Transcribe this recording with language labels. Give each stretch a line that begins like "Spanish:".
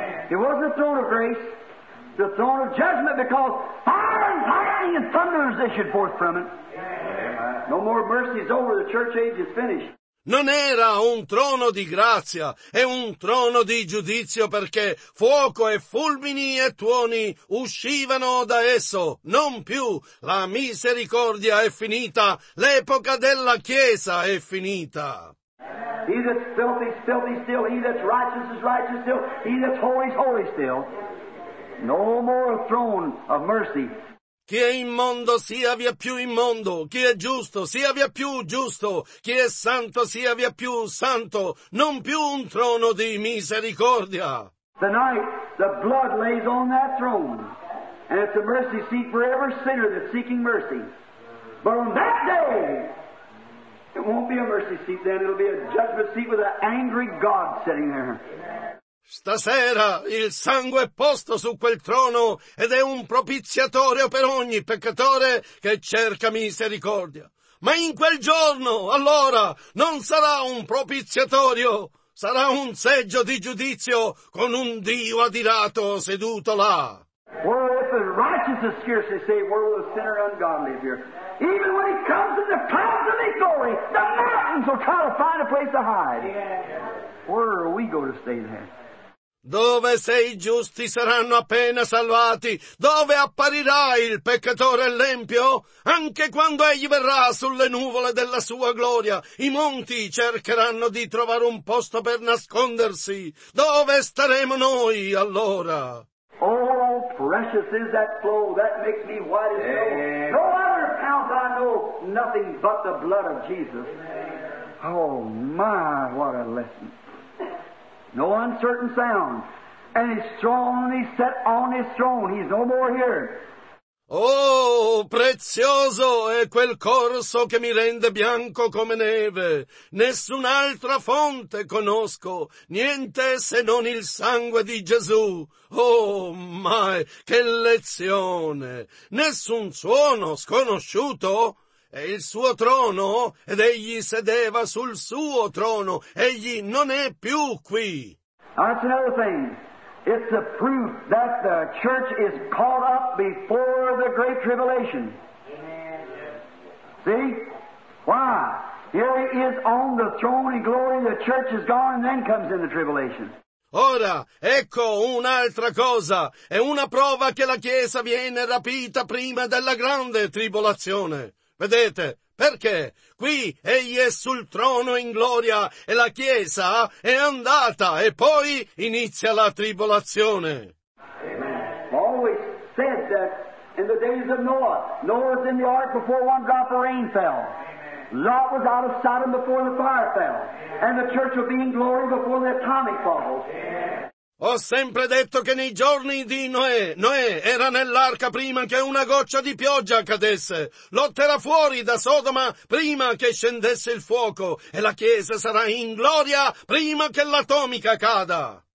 English: It wasn't the throne of grace, the throne of judgment, because fire and lightning and thunders issued forth from it. No more mercy is over, the church age is finished.
Italian: Non era un trono di grazia, è un trono di giudizio, perché fuoco e fulmini e tuoni uscivano da esso. Non più, la misericordia è finita, l'epoca della Chiesa è finita.
English: He that's filthy is filthy still, he that's righteous is righteous still, he that's holy is holy still. No more throne of mercy.
Italian: Chi è immondo sia via più immondo, chi è giusto sia via più giusto, chi è santo sia via più santo, non più un trono di misericordia.
English: Tonight the blood lays on that throne, and it's a mercy seat for every sinner that's seeking mercy. But on that day, it won't be a mercy seat then, it'll be a judgment seat with an angry God sitting there.
Italian: Stasera il sangue è posto su quel trono ed è un propiziatorio per ogni peccatore che cerca misericordia. Ma in quel giorno, allora, non sarà un propiziatorio, sarà un seggio di giudizio con un Dio adirato seduto là.
English: Where will the righteous is scarcely saved, where will the sinner ungodly appear? Even when he comes in the clouds of his glory, the mountains will try to find a place to hide. Where are we going to stay then?
Italian: Dove se i giusti saranno appena salvati, dove apparirà il peccatore l'empio? Anche quando egli verrà sulle nuvole della sua gloria, i monti cercheranno di trovare un posto per nascondersi. Dove staremo noi allora?
English: Oh, precious is that flow that makes me white as snow. No other count I know, nothing but the blood of Jesus. Oh my, what a lesson. No uncertain sound, and he's strongly set on his throne. He's no more here.
Italian: Oh, prezioso è quel corso che mi rende bianco come neve. Nessun'altra fonte conosco, niente se non il sangue di Gesù. Oh, mai, che lezione! Nessun suono sconosciuto. E il suo trono, ed egli sedeva sul suo trono, egli non è più qui.
English: That's another thing. It's the proof that the church is caught up before the great tribulation. See? Why? Here he is on the throne in glory, the church is gone, and then comes in the tribulation.
Italian: Ora, ecco un'altra cosa, è una prova che la Chiesa viene rapita prima della grande tribolazione. Vedete, perché qui egli è sul trono in gloria e la Chiesa è andata e poi inizia la tribolazione.
English: Amen. Always said that in the days of Noah, Noah was in the ark before one drop of rain fell. Lot was out of Sodom before the fire fell. And the church will be in glory before the atomic falls. Amen.
Italian: Ho sempre detto che nei giorni di Noè, Noè era nell'arca prima che una goccia di pioggia cadesse. Lot era fuori da Sodoma prima che scendesse il fuoco. E la Chiesa sarà in gloria prima che l'atomica cada.